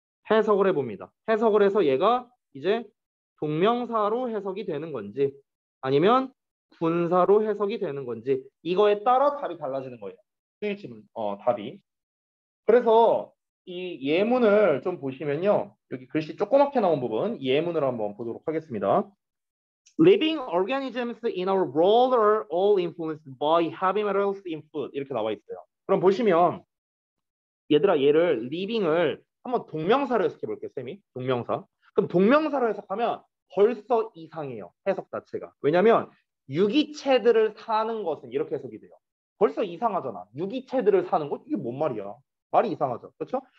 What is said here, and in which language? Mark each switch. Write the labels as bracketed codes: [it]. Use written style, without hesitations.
[ko] 해석을 해봅니다. 해석을 해서 얘가 이제 동명사로 해석이 되는 건지 아니면 분사로 해석이 되는 건지 이거에 따라 답이 달라지는 거예요. 수일치문 답이. 그래서 이 예문을 좀 보시면요. 여기 글씨 조그맣게 나온 부분 예문을 한번 보도록 하겠습니다. [en] Living organisms in our world are all influenced by heavy metals in food. [ko] 이렇게 나와 있어요. 그럼 보시면 얘들아 얘를 living을 한번 동명사로 해석해 볼게요. 쌤이 동명사. 그럼 동명사로 해석하면 벌써 이상해요. 해석 자체가. 왜냐하면 유기체들을 사는 것은 이렇게 해석이 돼요. 벌써 이상하잖아. 유기체들을 사는 것 이게 뭔 말이야. 말이 이상하죠. 그렇죠?